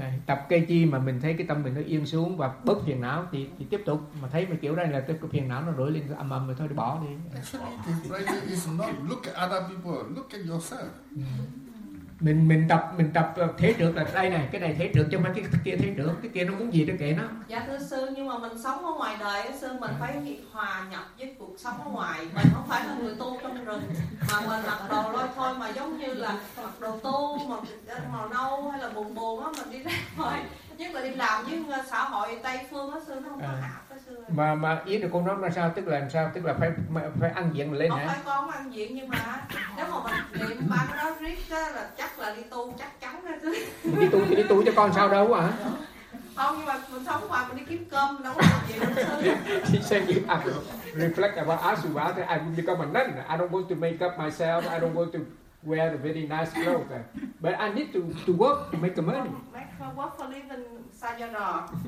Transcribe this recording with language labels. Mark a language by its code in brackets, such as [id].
[vi] Tập cái chi mà mình thấy cái tâm mình nó yên xuống và bớt phiền não thì tiếp tục, mà thấy mà kiểu này là tức cái phiền não nó rủi lên âm âm rồi thôi, bỏ đi. [en] Actually, is not look at other people, look at yourself. [vi] Mình tập thế được là đây này, cái này thế được, trong cái kia thế được, cái kia nó muốn gì đó kệ nó. Dạ thưa sư, nhưng mà mình sống ở ngoài đời sư, mình phải hòa nhập với cuộc sống ở ngoài, mình không phải là người tu trong rừng mà mình mặc đồ lôi thôi, mà giống như là mặc đồ tu màu nâu hay là buồn á, mình đi ra ngoài nhất là đi làm với xã hội Tây phương á sư, nó không có hạp. Mà ý được con nói là sao, tức là làm sao, tức là phải ăn diện lên không hả? Phải con ăn diện, nhưng mà nếu mà mình niệm ba cái đó riết là chắc là đi tu chắc chắn đó chứ. Đi tu cho con sao đâu hả? Không, nhưng mà mình sống ngoài mình đi kiếm cơm đâu có làm gì đâu. [en] She said you have reflect about asuva, I will become a nun. I don't want to make up myself, I don't want to wear the very nice clothes, but I need to work to make the money. What for living Sayana?